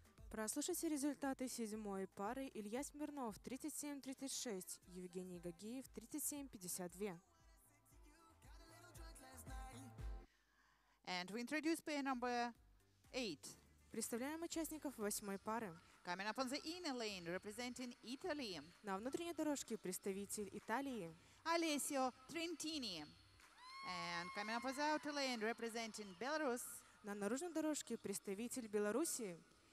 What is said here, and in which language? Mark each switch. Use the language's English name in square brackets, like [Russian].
[Russian] Прослушайте результаты седьмой пары. Илья Смирнов 37-36, Евгений Гагиев 37-52. [English] And we introduce pair number 8. [Russian] Представляем участников восьмой пары. [English] Coming up on the inner lane, representing Italy. [Russian] На внутренней дорожке представитель Италии. [English] Alessio Trentini. And coming up on the outer lane, representing Belarus. [Russian] На наружной дорожке представитель Беларуси.